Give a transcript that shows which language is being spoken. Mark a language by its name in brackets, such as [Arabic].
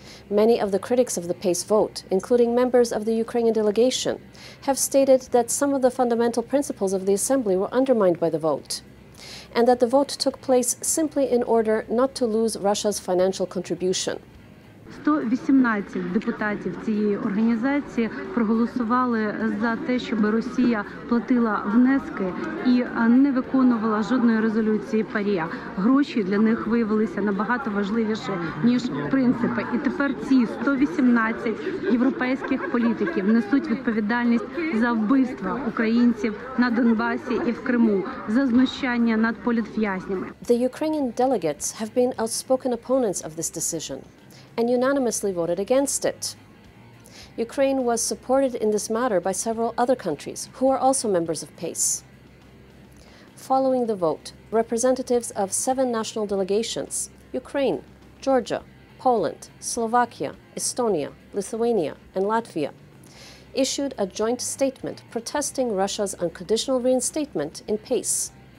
[English] Many of the critics of the PACE vote, including members of the Ukrainian delegation, have stated that some of the fundamental principles of the Assembly were undermined by the vote, and that the vote took place simply in order not to lose Russia's financial contribution. [Ukrainian] 118 депутатів цієї організації проголосували за те, щоб Росія платила внески і не виконувала жодної резолюції ПАРЄ. Гроші для них виявилися набагато важливіше, ніж принципи. І тепер ці 118 європейських політиків несуть відповідальність за вбивства українців на Донбасі і в Криму, за знущання над політв'язнями. [English] The Ukrainian delegates have been outspoken opponents of this decision and unanimously voted against it. Ukraine was supported in this matter by several other countries who are also members of PACE. Following the vote, representatives of seven national delegations, Ukraine, Georgia, Poland, Slovakia, Estonia, Lithuania, and Latvia, issued a joint statement protesting Russia's unconditional reinstatement in PACE.